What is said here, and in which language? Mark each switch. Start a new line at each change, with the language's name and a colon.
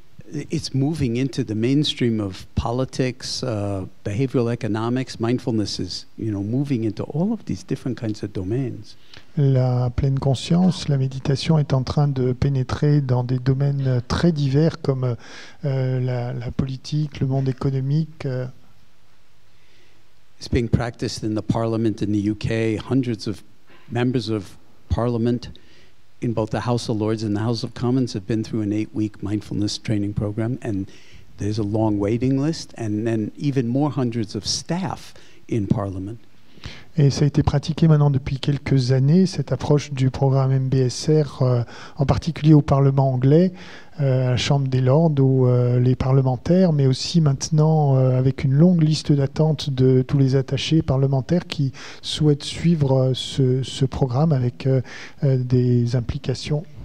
English: It's moving into the mainstream of politics, behavioral economics, mindfulness is, you know, moving into all of these different kinds of domains.
French: La pleine conscience, la méditation est en train de pénétrer dans des domaines très divers comme la politique, le monde économique.
English: It's being practiced in the parliament in the UK, hundreds of members of parliament in both the House of Lords and the House of Commons have been through an 8-week mindfulness training program, and there's a long waiting list, and then even more hundreds of staff in Parliament.
French: Et ça a été pratiqué maintenant depuis quelques années, cette approche du programme MBSR, en particulier au Parlement anglais, à la Chambre des Lords, où les parlementaires, mais aussi maintenant avec une longue liste d'attente de tous les attachés parlementaires qui souhaitent suivre ce programme avec des implications.